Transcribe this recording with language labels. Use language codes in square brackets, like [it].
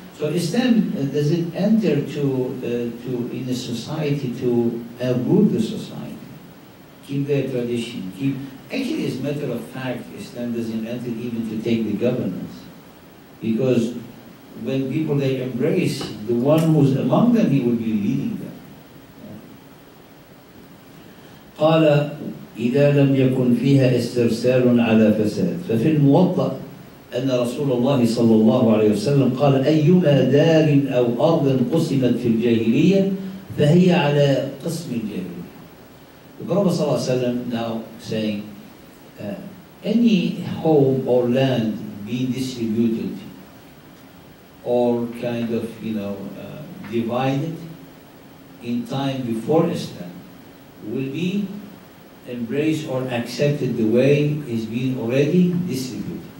[en] So Islam, does it enter to in a society to uproot the society, keep their tradition, keep, actually as a matter of fact, Islam doesn't enter even to take the governance. Because when people they embrace, the one who's among them, he will be leading them. [ar] قال إذا لم يكن فيها استرسال على فساد ففي الموطأ أن رسول الله صلى الله عليه وسلم قال أيما دار أو أرض قسمت في الجاهلية فهي على قسم الجاهلية. [en] The Prophet صلى الله عليه وسلم now saying any home or land being distributed or kind of, you know, divided in time before Islam will be embraced or accepted the way is being already distributed.